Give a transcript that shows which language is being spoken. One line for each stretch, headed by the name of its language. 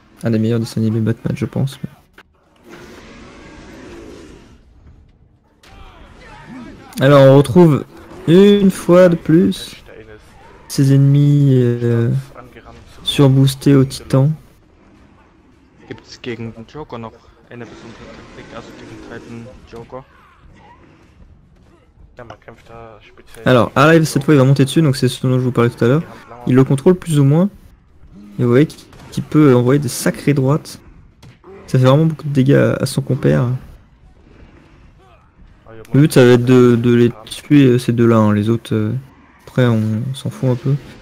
French: Un des meilleurs de son animé Batman, je pense. Alors on retrouve une fois de plus ses ennemis. Surboosté au titan.
German: Gibt's gegen den Joker noch Eine besondere Taktik, also gegen den zweiten Joker. Ja, man kämpft da speziell.
French: Alors, arrive cette fois, il va monter dessus, donc c'est ce dont je vous parlais tout à l'heure. Il le contrôle plus ou moins. Et vous voyez qu'il peut envoyer des sacrées droites. Ça fait vraiment beaucoup de dégâts à son compère. Le but, ça va être de les tuer ces deux-là. Hein. Les autres, après, on s'en fout un peu.